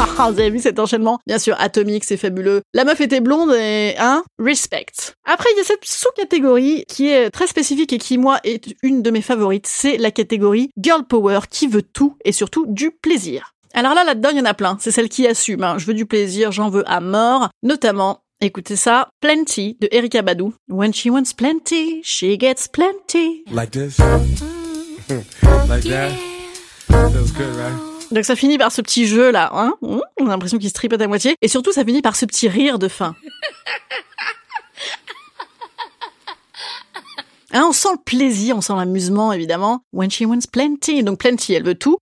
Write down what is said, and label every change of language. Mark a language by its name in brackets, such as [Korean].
[French] Vous avez vu cet enchaînement? Bien sûr, Atomic, c'est fabuleux. La meuf était blonde et, hein, respect. Après, il y a cette sous-catégorie qui est très spécifique et qui, moi, est une de mes favorites. C'est la catégorie « girl power » qui veut tout et surtout du plaisir. Alors là, là-dedans, il y en a plein. C'est celle qui assume, hein. Je veux du plaisir, j'en veux à mort, notamment... Écoutez ça, Plenty de Erykah Badu. [English] When she wants plenty, she gets plenty. Like this. Like that. That was good, right? [French] Donc ça finit par ce petit jeu là, hein. On a l'impression qu'il se tripote à moitié. Et surtout, ça finit par ce petit rire de fin. Hein, on sent le plaisir, on sent l'amusement, évidemment. [English] When she wants plenty. [French] Donc plenty, elle veut tout.